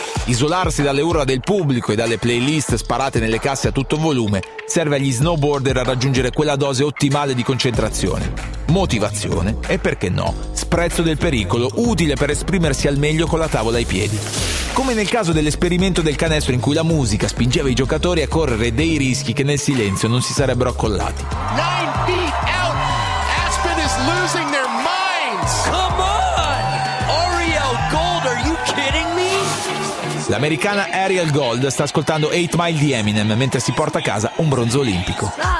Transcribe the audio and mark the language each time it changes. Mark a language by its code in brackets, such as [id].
[it] Isolarsi dalle urla del pubblico e dalle playlist sparate nelle casse a tutto volume serve agli snowboarder a raggiungere quella dose ottimale di concentrazione, motivazione e, perché no, sprezzo del pericolo utile per esprimersi al meglio con la tavola ai piedi. Come nel caso dell'esperimento del canestro in cui la musica spingeva i giocatori a correre dei rischi che nel silenzio non si sarebbero accollati. [en] Nine feet out! Aspen is losing their minds! Come on! Ariel Gold, are you kidding me? [it] L'americana Ariel Gold sta ascoltando 8 Mile di Eminem mentre si porta a casa un bronzo olimpico.